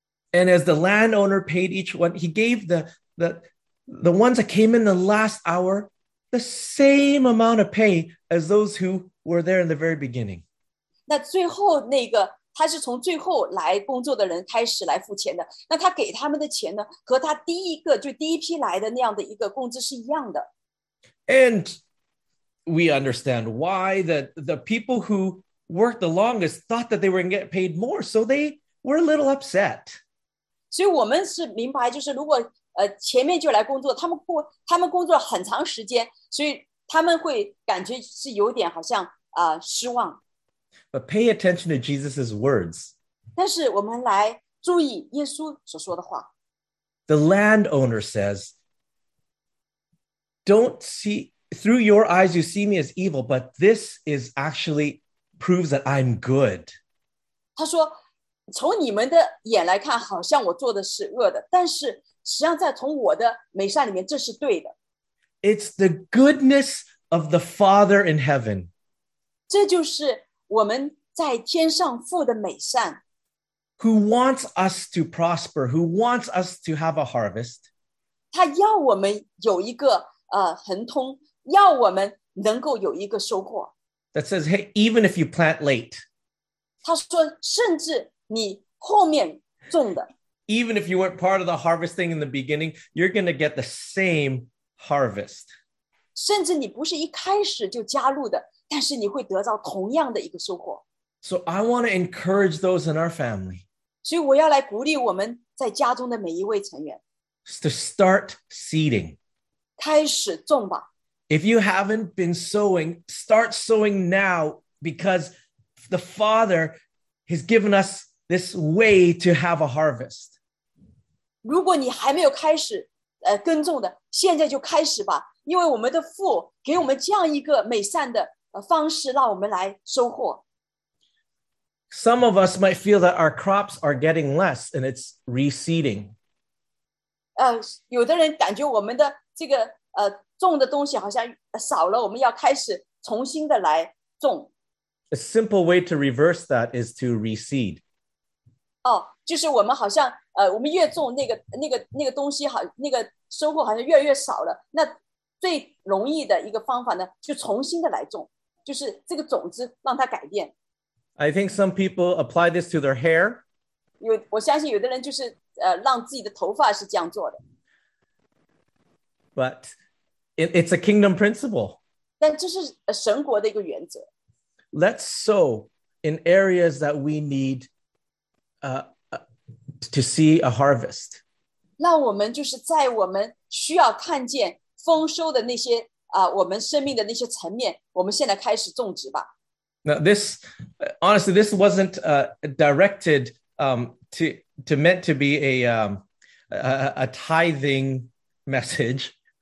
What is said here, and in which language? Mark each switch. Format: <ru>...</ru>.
<en>And as the landowner paid each one, he gave the ones that came in the last hour the same amount of pay as those who were there in the very beginning.</en> <zh>那最后那个，他是从最后来工作的人开始来付钱的。那他给他们的钱呢，和他第一个，就第一批来的那样的一个工资是一样的。</zh> <en>And we understand why the people who worked the longest thought that they were going to get paid more, so they were a little upset.</en> <zh>所以我们是明白，就是如果前面就来工作，他们工作了很长时间，所以他们会感觉是有点好像失望。</zh> <en>But pay attention to Jesus's words.</en> <zh>但是我们来注意耶稣所说的话。</zh> <en>The landowner says, "Don't see through your eyes; you see me as evil, but this is actually." Proves that I'm good.</en> <zh>他说，从你们的眼来看，好像我做的是恶的，但是实际上在从我的美善里面，这是对的。</zh> <en>It's the goodness of the Father in heaven.</en> <zh>这就是我们在天上父的美善。</zh> <en>Who wants us to prosper? Who wants us to have a harvest?</en> <zh>他要我们有一个亨通，要我们能够有一个收获。</zh> <en>That says, hey, even if you plant late.</en> <zh>他说甚至你后面种的。</zh> <en>Even if you weren't part of the harvesting in the beginning, you're going to get the same harvest.</en> <zh>甚至你不是一开始就加入的，但是你会得到同样的一个收获。</zh> <en>So I want to encourage those in our family.</en> <zh>所以我要来鼓励我们在家中的每一位成员。</zh> <en>To start seeding.</en> <zh>开始种吧。</zh> <en>If you haven't been sowing, start sowing now because the Father has given us this way to have a harvest.</en> <zh>如果你还没有开始耕种的，现在就开始吧，因为我们的父给我们这样一个美善的方式，让我们来收获。</zh> <en>Some of us might feel that our crops are getting less and it's reseeding.</en> <zh>有的人感觉我们的这个种的东西好像少了，我们要开始重新的来种。</zh> <en>A simple way to reverse that is to reseed.</en> <zh>就是我们好像我们越种那个东西好，那个收获好像越来越少了。那最容易的一个方法呢，就重新的来种，就是这个种子让它改变。</zh> <en>I think some people apply this to their hair.</en> <zh>我相信有的人就是让自己的头发是这样做的。</zh> <en>but it's a kingdom principle.</en> <zh>但这是神国的一个原则。</zh> <en>Let's sow in areas that we need to see a harvest.</en> <zh>让我们就是在我们需要看见丰收的那些 我们生命的那些层面，我们现在开始种植吧。</zh> <en>Now this, honestly, this wasn't directed to meant to be a tithing message.</en>